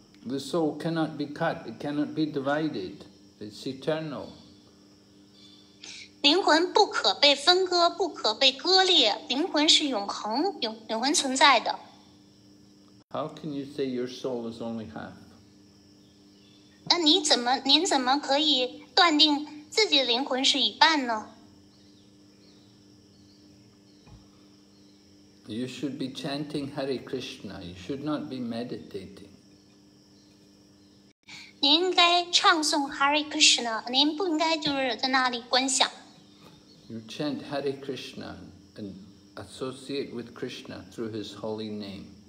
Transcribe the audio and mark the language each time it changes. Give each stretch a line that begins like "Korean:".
English: The soul cannot be cut, it cannot be divided, it's eternal.
Chinese: 灵魂不可被分割，不可被割裂，灵魂是永恒，永恒存在的。
English: How can you say your soul is only half?
Chinese: 那您怎么可以断定自己的灵魂是一半呢？
English: You should be chanting Hare Krishna, you should not be meditating.
Chinese: 您应该唱诵 Hare Krishna， 您不应该就是在那里观想。
English: You chant Hare Krishna and associate with Krishna through His holy name.